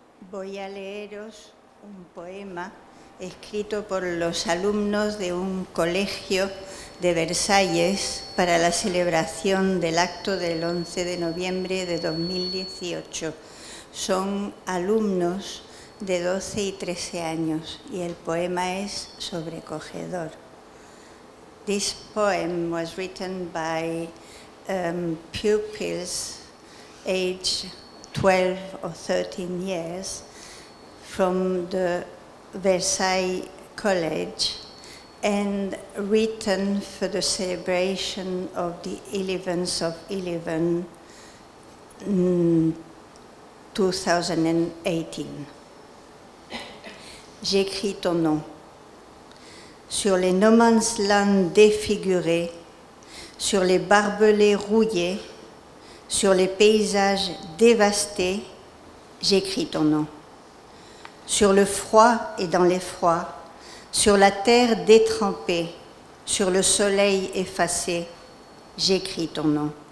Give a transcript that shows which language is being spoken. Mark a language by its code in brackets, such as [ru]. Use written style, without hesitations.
[es] Voy a leeros un poema escrito por los alumnos de un colegio de Versalles para la celebración del acto del 11 de noviembre de 2018. Son alumnos de 12 y 13 años y el poema es sobrecogedor. [en] this poem was written by pupils age 12 or 13 years from the Versailles College and written for the celebration of the 11th of 11, 2018. [fr] J'écris ton nom sur les no man's land défigurés, sur les barbelés rouillés, sur les paysages dévastés, j'écris ton nom. Sur le froid et dans l'effroi, sur la terre détrempée, sur le soleil effacé, j'écris ton nom.